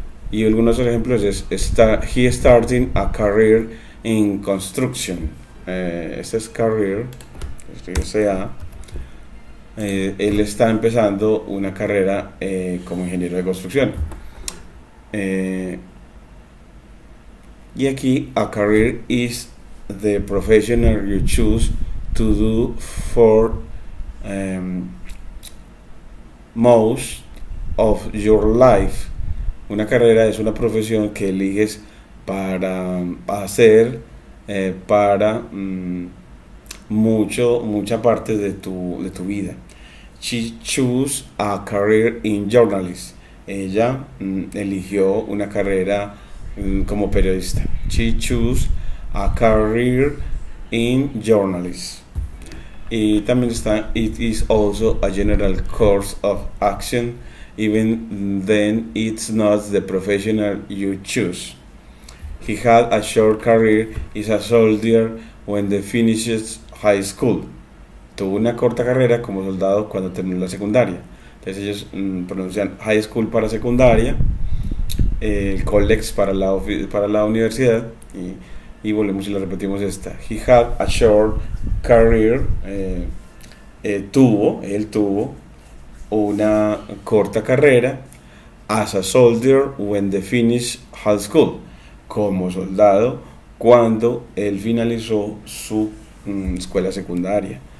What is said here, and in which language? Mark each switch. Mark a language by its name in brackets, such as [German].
[Spanish] Y algunos ejemplos es [English] he starting a career in construction. [Spanish] Este es career, este sea. Él está empezando una carrera como ingeniero de construcción. Y aquí, [English] a career is the profession you choose to do for most of your life. [Spanish] Una carrera es una profesión que eliges para hacer para mucha parte de tu vida. [English] She chose a career in journalism. [Spanish] Ella eligió una carrera como periodista. [English] She chose a career in journalism. [Spanish] Y también está, [English] it is also a general course of action, even then it's not the professional you choose. He had a short career as a soldier when they finished high school. [Spanish] Tuvo una corta carrera como soldado cuando terminó la secundaria. Entonces ellos pronuncian high school para secundaria, college para la universidad, y volvemos y lo repetimos esta. [English] He had a short career, [Spanish] él tuvo una corta carrera [English] as a soldier [Spanish] when they finished high school, como soldado cuando él finalizó su escuela secundaria.